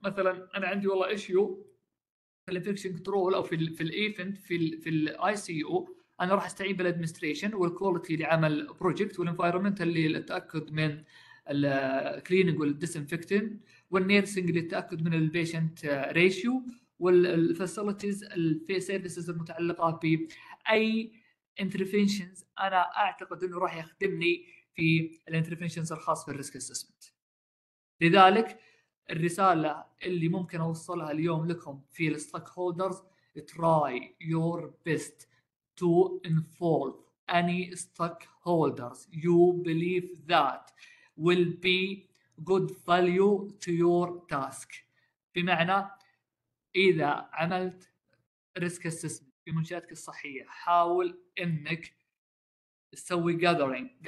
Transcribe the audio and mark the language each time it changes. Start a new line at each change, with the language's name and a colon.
Arabic: مثلا انا عندي والله ايشيو في الانفكشن كنترول او في الايفنت في الاي سي يو، انا راح استعين بالادمنستريشن والكواليتي لعمل بروجكت والانفايرمنتال للتاكد من الكليننج والديسنفكتين والنيرسينج للتاكد من البيشنت ريشيو والفاسيلتيز في سيرفيسز المتعلقه باي انترفينشنز انا اعتقد انه راح يخدمني في الانترفينشنز الخاص بالريسك اسسمنت. لذلك الرساله اللي ممكن اوصلها اليوم لكم في الستوك هولدرز،
English: Try your best to involve any stockholders. You believe that will be good value to your task.
Arabic: بمعنى إذا عملت risk assessment في منشأتك الصحية، حاول إنك تسوي gathering.